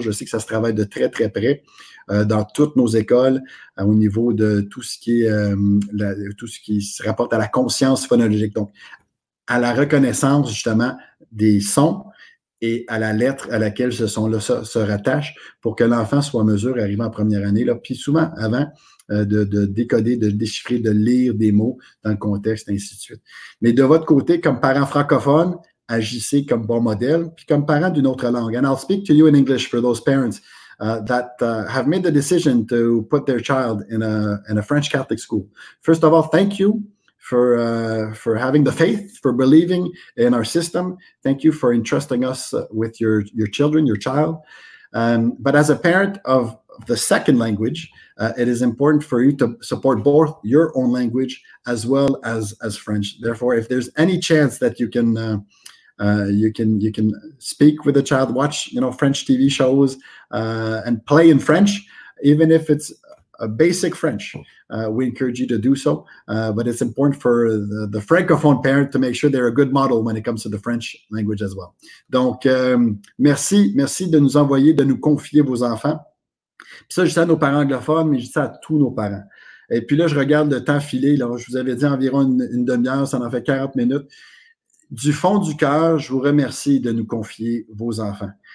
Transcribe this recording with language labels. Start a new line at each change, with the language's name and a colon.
French: Je sais que ça se travaille de très, très près dans toutes nos écoles, au niveau de tout ce qui est tout ce qui se rapporte à la conscience phonologique, donc à la reconnaissance justement des sons et à la lettre à laquelle ce son-là se rattache pour que l'enfant soit en mesure, arrivant en première année, là, puis souvent avant, de décoder, de déchiffrer, de lire des mots dans le contexte, ainsi de suite. Mais de votre côté, comme parent francophone, agissez comme bon modèle, puis comme parent d'une autre langue.
English: And I'll speak to you in English for those parents that have made the decision to put their child in a French Catholic school. First of all, thank you for having the faith, for believing in our system. Thank you for entrusting us with your children, your child. But as a parent of the second language, it is important for you to support both your own language as well as French. Therefore, if there's any chance that you can you can speak with a child, watch, you know, French TV shows and play in French, even if it's a basic French, we encourage you to do so. But it's important for the francophone parent to make sure they're a good model when it comes to the French language as well.
French: Donc, merci de nous envoyer, de nous confier vos enfants. Puis ça, je dis ça à nos parents anglophones, mais je dis ça à tous nos parents. Et puis là, je regarde le temps filer. Là, je vous avais dit environ une demi-heure, ça en fait 40 minutes. Du fond du cœur, je vous remercie de nous confier vos enfants.